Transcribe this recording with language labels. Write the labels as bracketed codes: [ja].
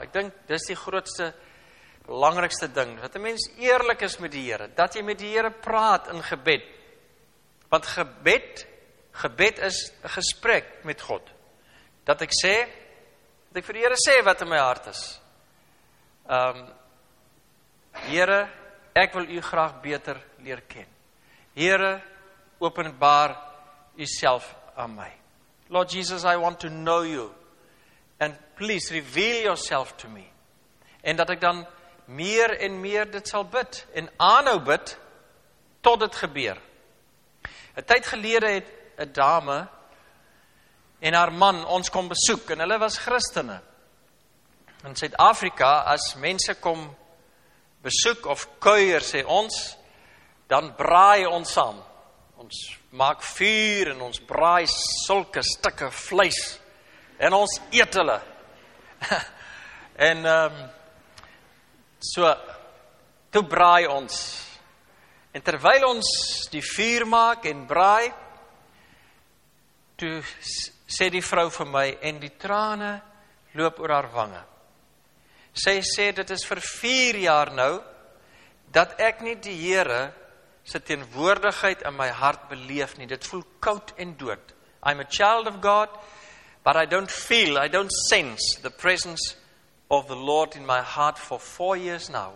[af] Ek dink, dit is die grootste, belangrikste ding, dat een mens eerlijk is met die Here, dat jy met die Here praat in gebed, want gebed is gesprek met God, dat ek sê, dat ek vir die Here sê wat in my hart is. Here, ek wil u graag beter leer ken. Here, openbaar u self aan my. [en] Lord Jesus, I want to know you, and please reveal yourself to me. [af] En dat ek dan meer en meer dit sal bid, en aanhou bid, tot het gebeur. Een tyd gelede het een dame en haar man ons kom besoek, en hulle was christene. In Suid-Afrika, as mense kom besoek of kuier, sê ons, dan braai ons saam. Ons maak vuur en ons braai sulke stikke vleis, en ons eet hulle. En so, toe braai ons. En terwyl ons die vuur maak en braai, toe sê die vrou vir my, en die trane loop oor haar wange. Sy sê, dit is vir 4 jaar nou, dat ek nie die Here se teenwoordigheid in my hart beleef nie. Dit voel koud en dood. [en] I'm a child of God, but I don't sense the presence of the Lord in my heart for 4 years now.